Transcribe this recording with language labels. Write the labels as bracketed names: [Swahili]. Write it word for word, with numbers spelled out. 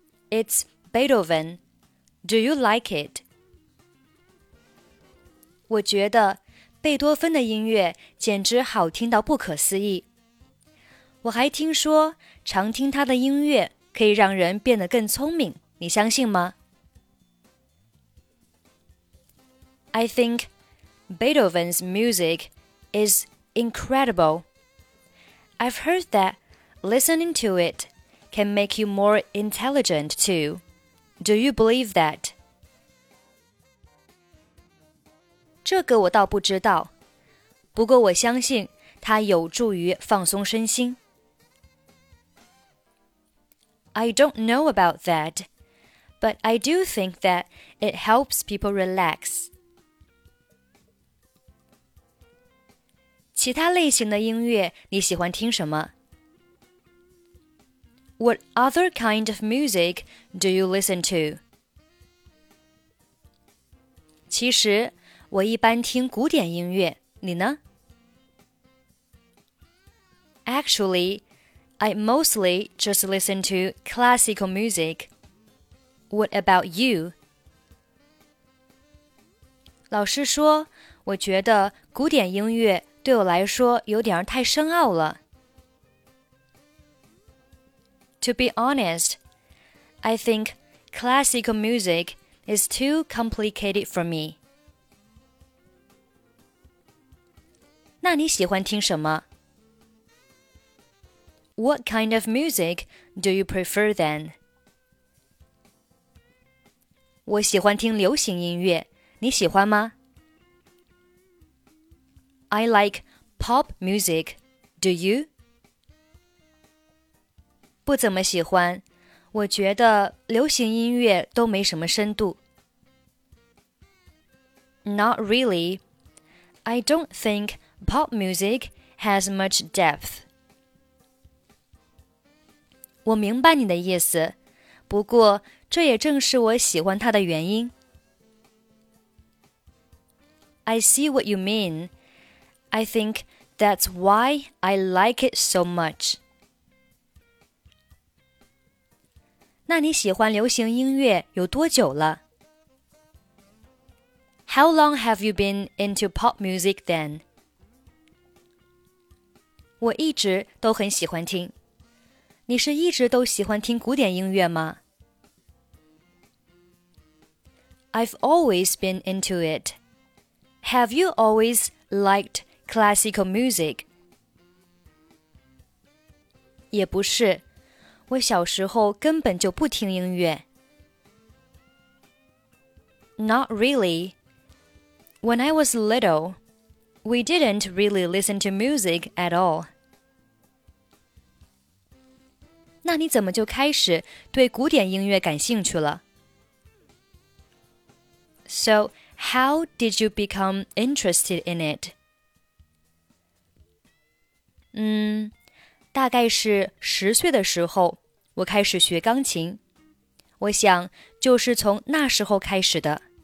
[English] It's Beethoven. Do you like it? [Chinese] 我觉得贝多芬的音乐简直好听到不可思议。我还听说，常听他的音乐可以让人变得更聪明，你相信吗？ [English] I think Beethoven's music is incredible. I've heard that listening to it can make you more intelligent too. Do you believe that? [Chinese] 这个我倒不知道，不过我相信它有助于放松身心。 [English] I don't know about that, but I do think that it helps people relax. [Chinese] 其他类型的音乐你喜欢听什么？ [English] What other kind of music do you listen to? [Chinese] 其实我一般听古典音乐，你呢？ [English] Actually, I mostly just listen to classical music. What about you? [Chinese] 老师说，我觉得古典音乐对我来说有点太深奥了。 [English] To be honest, I think classical music is too complicated for me. [Chinese] 那你喜欢听什么？ [English] What kind of music do you prefer then? [Chinese] 我喜欢听流行音乐，你喜欢吗？ [English] I like pop music. Do you? [Chinese] 不怎么喜欢，我觉得流行音乐都没什么深度。 [English] Not really. I don't think pop music has much depth. [Chinese] 我明白你的意思，不过这也正是我喜欢它的原因。 [English] I see what you mean. I think that's why I like it so much. [Chinese] 那你喜欢流行音乐有多久了？ [English] How long have you been into pop music then? [Chinese] 我一直都很喜欢听。你是一直都喜欢听古典音乐吗？ [English] I've always been into it. Have you always liked classical music? [Chinese] 也不是，我小时候根本就不听音乐。 [English] Not really. When I was little, we didn't really listen to music at all. [Chinese] 那你怎么就开始对古典音乐感兴趣了？ [English] So, how did you become interested in it? [Chinese] 嗯，大概是十岁的时候，我开始学钢琴。我想，就是从那时候开始的。